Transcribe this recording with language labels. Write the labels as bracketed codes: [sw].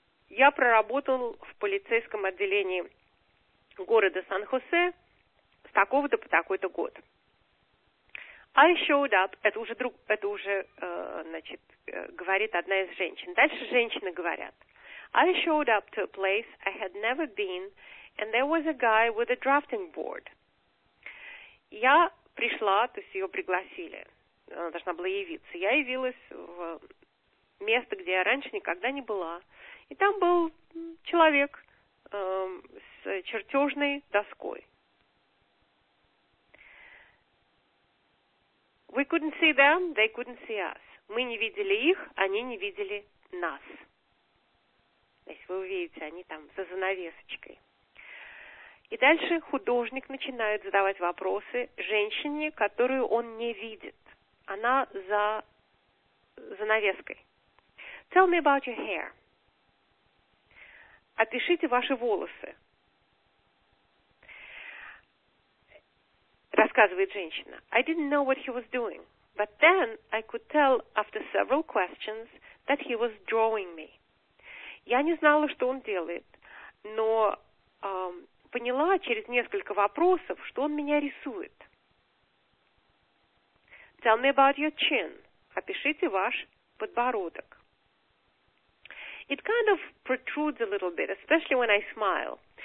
[ru] Я проработал в полицейском отделении города Сан-Хосе с такого-то по такой-то год. [en] I showed up, [ru] говорит одна из женщин. Дальше женщины говорят. [en] I showed up to a place I had never been, and there was a guy with a drafting board. [ru] Я пришла, то есть ее пригласили. Она должна была явиться. Я явилась в место, где я раньше никогда не была. И там был человек с чертежной доской. [en] We couldn't see them, they couldn't see us. [ru] Мы не видели их, они не видели нас. То есть вы увидите, они там за занавесочкой. И дальше художник начинает задавать вопросы женщине, которую он не видит. Она за занавеской. [en] Tell me about your hair. [ru] Опишите ваши волосы. Рассказывает женщина. [en] I didn't know what he was doing. But then I could tell after several questions that he was drawing me. [ru] Я не знала, что он делает, но поняла через несколько вопросов, что он меня рисует. [en] Tell me about your chin. [ru] Опишите ваш подбородок. [en] It kind of protrudes a little bit, especially when I smile.